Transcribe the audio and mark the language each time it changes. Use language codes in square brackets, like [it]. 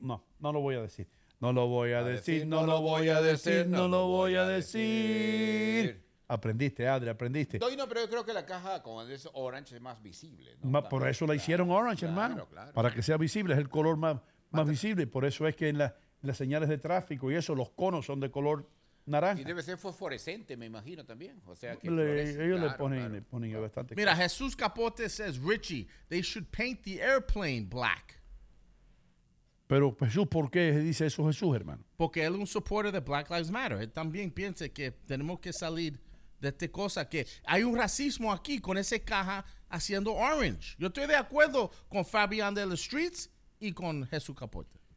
[es] No lo voy a decir. Aprendiste, Adri, aprendiste. No, pero yo creo que la caja con ese Orange es más visible. ¿No? Ma, por eso la hicieron Orange, claro, hermano. Claro, claro. Para que sea visible, es el color más visible. Por eso es que en las señales de tráfico y eso, los conos son de color naranja. Y debe ser fosforescente, me imagino, también. O sea, que le ponen bastante. Mira, [en] Jesús Capote says, Richie, they should paint the airplane black. [es] Pero Jesús, ¿por qué dice eso Jesús, hermano? Porque él es un supporter de Black Lives Matter. Él también piensa que tenemos que salir de esta cosa, que hay un racismo aquí con esa caja haciendo orange. Yo estoy de acuerdo con Fabián de los Streets y con Jesús Capote.